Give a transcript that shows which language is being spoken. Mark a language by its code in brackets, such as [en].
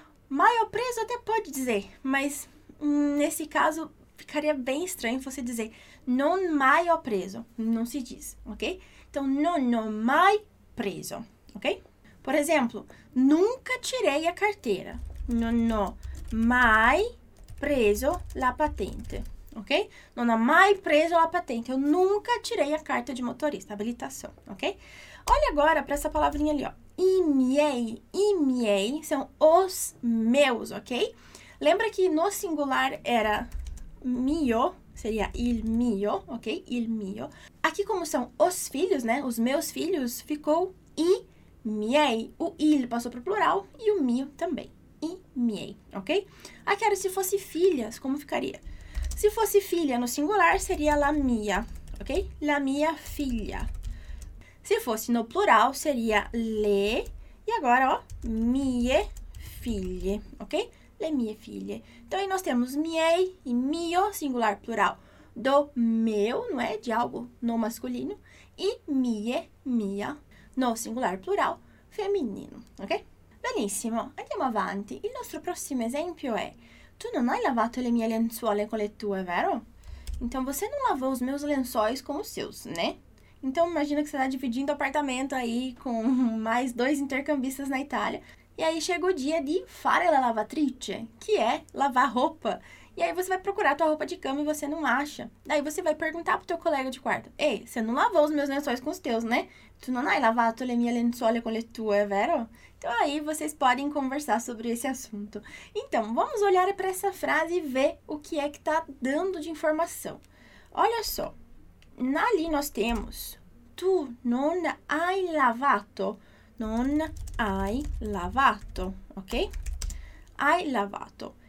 [pt] Mai o preso até pode dizer, mas nesse caso ficaria bem estranho você dizer [it] non mai o preso. [pt] Não se diz, ok? Então, [it] non ho mai preso, [pt] ok? Por exemplo, nunca tirei a carteira. [it] Non ho mai preso la patente. Ok? Non ho mai preso la patente. [pt] Eu nunca tirei a carta de motorista, habilitação, ok? Olha agora para essa palavrinha ali, ó. [it] I miei, i miei, [pt] são os meus, ok? Lembra que no singular era mio, seria il mio, ok? Il mio. Aqui como são os filhos, né? Os meus filhos, ficou i miei. O il passou para o plural e o mio também. I miei, ok? Aqui era se fosse filhas, como ficaria? Se fosse filha no singular, seria la mia, ok? La mia filha. Se fosse no plural, seria le, e agora, ó, mie figlie, ok? [it] Le mie figlie. [pt] Então, aí nós temos miei e mio, singular, plural, do meu, não é? De algo no masculino. E mie, mia, no singular, plural, feminino, ok? [it] Benissimo, andiamo avanti. Il nostro prossimo esempio è: tu non hai lavato le mie lenzuole con le tue, vero? [pt] Então, você não lavou os meus lençóis com os seus, né? Então, imagina que você está dividindo apartamento aí com mais dois intercambistas na Itália. E aí, chega o dia de [it] fare la lavatrice, [pt] que é lavar roupa. E aí, você vai procurar a tua roupa de cama e você não acha. Daí, você vai perguntar pro teu colega de quarto. Ei, você não lavou os meus lençóis com os teus, né? [it] Tu non hai lavato le mie lenzuole con le tue, vero? [pt] Então, aí, vocês podem conversar sobre esse assunto. Então, vamos olhar para essa frase e ver o que é que está dando de informação. Olha só. Ali nós temos, [it] tu non hai lavato, non hai lavato, ok? Hai lavato.